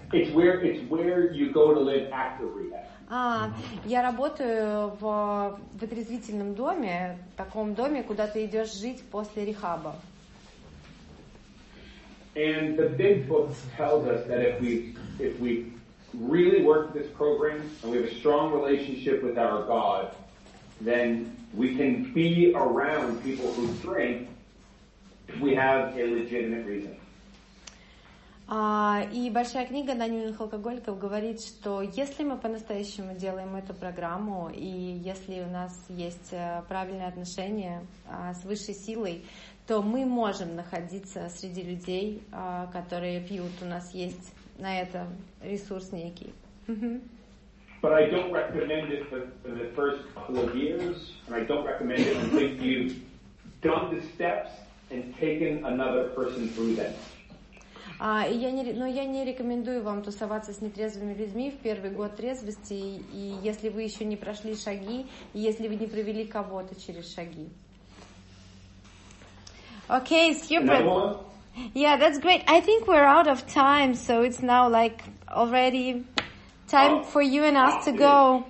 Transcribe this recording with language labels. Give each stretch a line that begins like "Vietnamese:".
English: It's where you go to live after rehab.
Russian: Я работаю в отрезвительном доме, таком доме, куда ты идешь жить после рехаба.
English: And the big book tells us that if we really work this program and we have a strong relationship with our God, then we can be around people who drink if we have a legitimate reason.
Russian: И большая книга анонимных алкоголиков говорит, что если мы по-настоящему делаем эту программу, и если у нас есть правильные отношения с высшей силой, то мы можем находиться среди людей, которые пьют. У нас есть на это ресурс некий.
English: But I don't recommend it for the first couple of years, and I don't recommend it until you've done the steps and taken another person through them.
Russian: Я не рекомендую вам тусоваться с нетрезвыми людьми в первый год трезвости, и если вы еще не прошли шаги, и если вы не провели кого-то через шаги.
English: Okay, super. Another one? Yeah, that's great. I think we're out of time, so it's now like already time for you and us to go.